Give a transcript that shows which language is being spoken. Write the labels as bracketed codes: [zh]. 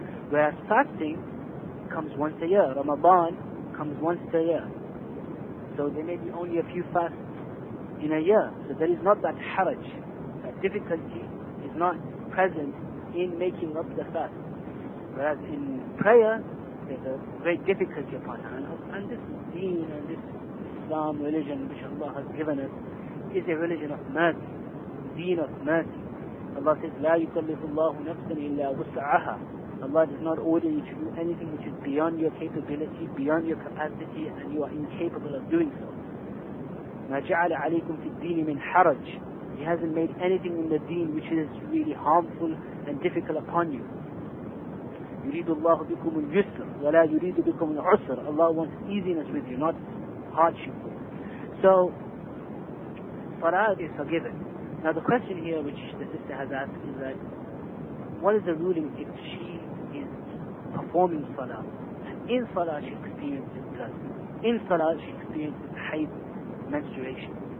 [en] Whereas fasting comes once a year, Ramadan comes once a year, so there may be only a few fasts in a year, so there is not that haraj, that difficulty is not present in making up the fast. Whereas in prayer, there's a great difficulty upon her. And this deen and this Islam religion which Allah has given us is a religion of mercy, deen of mercy. Allah says, [ar] لا يكلف الله نفسا إلا وسعها. [en] Allah does not order you to do anything which is beyond your capability, beyond your capacity, and you are incapable of doing so. [ar] ما جعل عليكم في الدين من حرج. [en] He hasn't made anything in the deen which is really harmful and difficult upon you. [ar] يريد الله بكم اليسر ولا يريد بكم العسر. [en] Allah wants easiness with you, not hardship. So salat is forgiven. Now the question here which the sister has asked is that what is the ruling if she is performing salah? In salah she experiences thirst. In salah she experiences hayd, menstruation.